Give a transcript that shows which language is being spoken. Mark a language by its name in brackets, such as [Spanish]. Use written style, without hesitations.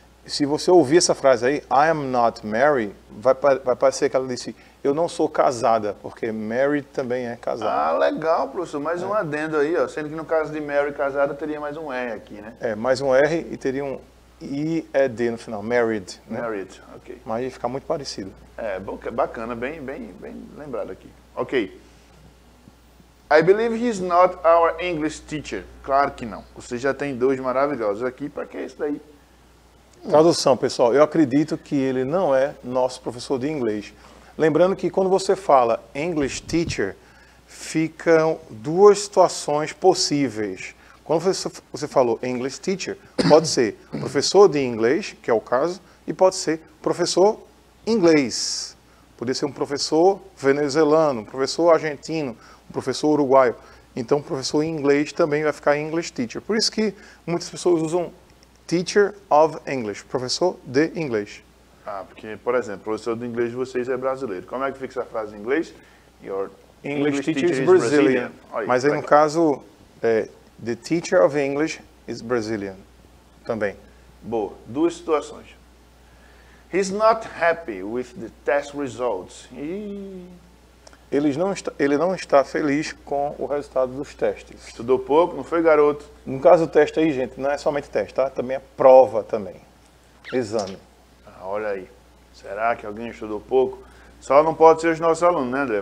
[Portuguese] Se você ouvir essa frase aí, [English] I am not married, [Portuguese] vai parecer que ela disse, eu não sou casada, porque married também é casada. Ah, legal, professor. Mais um adendo aí, ó. Sendo que no caso de married casada, teria mais um R aqui, né? É, mais um R e teria um I, E, D no final. Married. Né? Married, ok. Mas ia ficar muito parecido. É, bacana, bem lembrado aqui. Ok. [English] I believe he's not our English teacher. [Portuguese] Claro que não. Você já tem dois maravilhosos aqui, para que é isso daí? Tradução, pessoal. Eu acredito que ele não é nosso professor de inglês. Lembrando que quando você fala English teacher, ficam duas situações possíveis. Quando você falou English teacher, pode ser professor de inglês, que é o caso, e pode ser professor inglês. Podia ser um professor venezuelano, um professor argentino, um professor uruguaio. Então, professor em inglês também vai ficar English teacher. Por isso que muitas pessoas usam Teacher of English, professor de inglês. Ah, porque, por exemplo, professor de inglês de vocês é brasileiro. Como é que fica essa frase em inglês? [English] Your English teacher is Brazilian. [Portuguese] Mas aí, no caso, [English] the teacher of English is Brazilian [Portuguese] também. Boa. Duas situações. [English] He's not happy with the test results. [Portuguese] ele não está feliz com o resultado dos testes. Estudou pouco, não foi, garoto? No caso, o teste aí, gente, não é somente teste, tá? Também é prova também. Exame. Ah, olha aí. Será que alguém estudou pouco? Só não pode ser os nossos alunos, né, André?